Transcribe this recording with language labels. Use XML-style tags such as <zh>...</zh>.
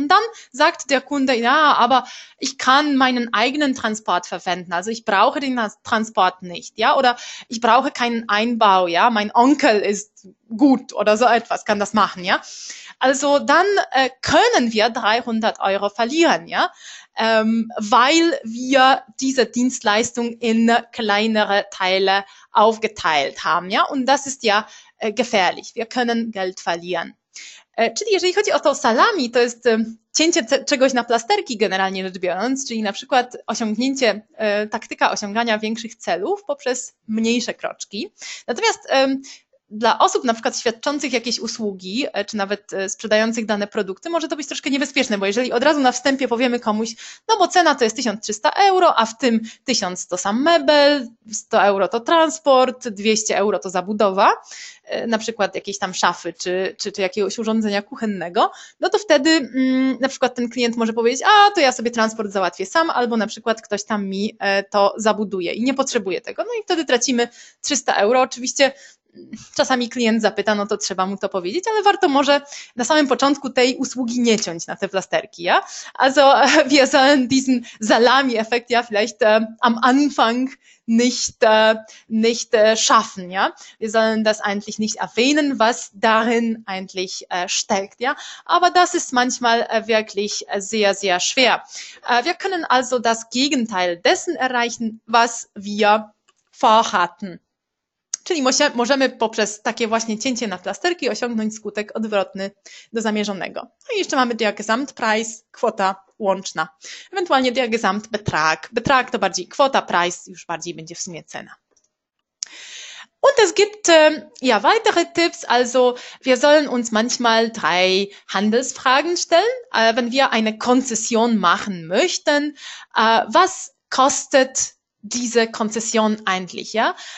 <de>Und dann sagt der Kunde, ja, aber ich kann meinen eigenen Transport verwenden, also ich brauche den Transport nicht, ja, oder ich brauche keinen Einbau, ja, mein Onkel ist gut oder so etwas, kann das machen, ja. Also dann können wir 300 € verlieren, ja, weil wir diese Dienstleistung in kleinere Teile aufgeteilt haben, ja, und das ist ja gefährlich. Wir können Geld verlieren.</de> <pl>Czyli jeżeli chodzi o to salami, to jest cięcie czegoś na plasterki generalnie rzecz biorąc, czyli na przykład osiągnięcie, taktyka osiągania większych celów poprzez mniejsze kroczki. Natomiast dla osób na przykład świadczących jakieś usługi, czy nawet sprzedających dane produkty, może to być troszkę niebezpieczne, bo jeżeli od razu na wstępie powiemy komuś, no bo cena to jest 1.300 €, a w tym 1.000 to sam mebel, 100 € to transport, 200 € to zabudowa, na przykład jakieś tam szafy, czy jakiegoś urządzenia kuchennego, no to wtedy na przykład ten klient może powiedzieć, a to ja sobie transport załatwię sam, albo na przykład ktoś tam mi to zabuduje i nie potrzebuje tego. No i wtedy tracimy 300 €. Oczywiście czasami klient zapyta, no to trzeba mu to powiedzieć, ale warto może na samym początku tej usługi nie ciąć na te plasterki, ja?</pl> <de>Also, wir sollen diesen Salami-Effekt ja vielleicht am Anfang nicht schaffen, ja? Wir sollen das eigentlich nicht erwähnen, was darin eigentlich steckt, ja? Aber das ist manchmal wirklich sehr, sehr schwer. Wir können also das Gegenteil dessen erreichen, was wir vorhatten.</de> <pl>Czyli możemy poprzez takie właśnie cięcie na plasterki osiągnąć skutek odwrotny do zamierzonego. No i jeszcze mamy jak Gesamtpreis, kwota łączna. Ewentualnie diagramt betrag. Betrag to bardziej kwota, preis już bardziej będzie w sumie cena.</pl> <de>Und es gibt ja weitere Tipps. Also wir sollen uns manchmal drei Handelsfragen stellen, wenn wir eine Konzession machen möchten. Was kostet diese Konzession eigentlich? Ja?</de>